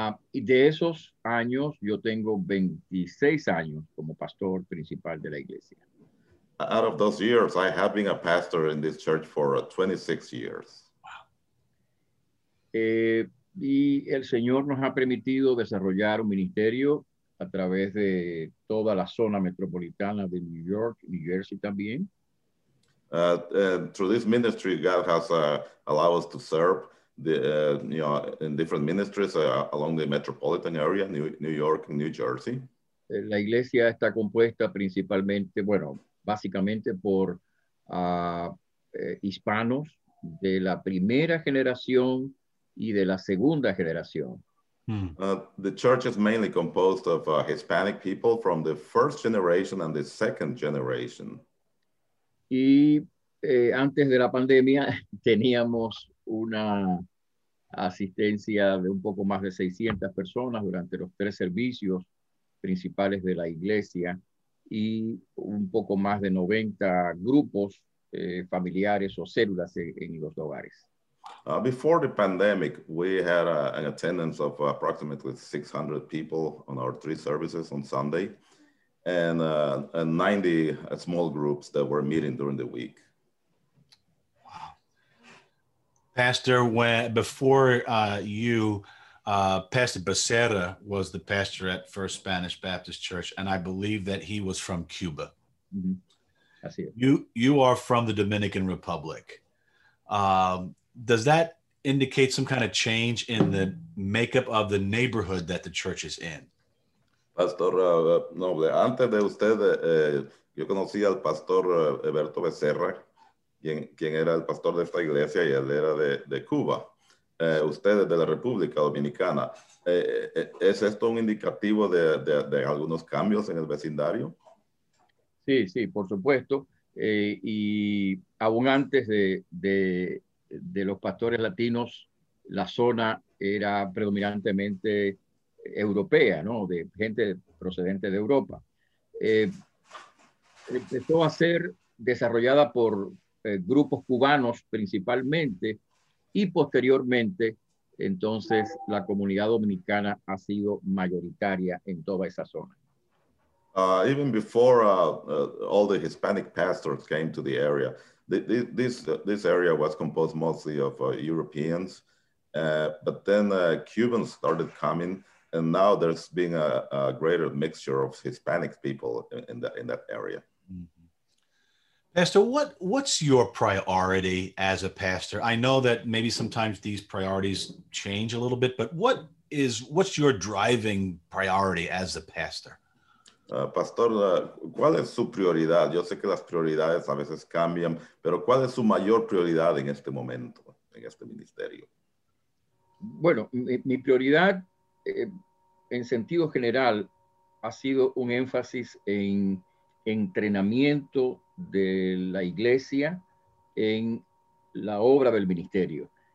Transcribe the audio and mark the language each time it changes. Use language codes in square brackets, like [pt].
[es] Y de esos años, yo tengo 26 años como pastor principal de la iglesia. [en] Out of those years, I have been a pastor in this church for 26 years. Wow. [es] Y el Señor nos ha permitido desarrollar un ministerio a través de toda la zona metropolitana de New York, New Jersey también. [en] Through this ministry, God has allowed us to serve in different ministries along the metropolitan area, New York and New Jersey. [es] La iglesia está compuesta principalmente, bueno, básicamente por hispanos de la primera generación y de la segunda generación. [en] The church is mainly composed of Hispanic people from the first generation and the second generation. [es] Y antes de la pandemia teníamos una asistencia de un poco más de 600 personas durante los tres servicios principales de la iglesia y un poco más de 90 grupos familiares o células en los hogares. [en] Before the pandemic, we had an attendance of approximately 600 people on our three services on Sunday and 90 small groups that were meeting during the week. Pastor, when before you, Pastor Becerra was the pastor at First Spanish Baptist Church, and I believe that he was from Cuba. Mm-hmm. I see it. You are from the Dominican Republic. Does that indicate some kind of change in the makeup of the neighborhood that the church is in? [es] Pastor Noble, antes de usted, yo conocí al Pastor Alberto Becerra, quien era el pastor de esta iglesia, y él era de Cuba. Ustedes de la República Dominicana. ¿Es esto un indicativo de algunos cambios en el vecindario? Sí, sí, por supuesto. Y aún antes de los pastores latinos, la zona era predominantemente europea, ¿no? De gente procedente de Europa. Empezó a ser desarrollada por grupos cubanos principalmente, y posteriormente, entonces, la comunidad dominicana ha sido mayoritaria en toda esa zona. [en] Even before all the Hispanic pastors came to the area, this area was composed mostly of Europeans, but then Cubans started coming, and now there's been a greater mixture of Hispanic people in that area. Pastor, what's your priority as a pastor? I know that maybe sometimes these priorities change a little bit, but what's your driving priority as a pastor? [es] Pastor, ¿cuál es su prioridad? Yo sé que las prioridades a veces cambian, pero ¿cuál es su mayor prioridad en este momento, en este ministerio? Bueno, mi prioridad, en sentido general, ha sido un énfasis en entrenamiento de la iglesia en la obra del ministerio.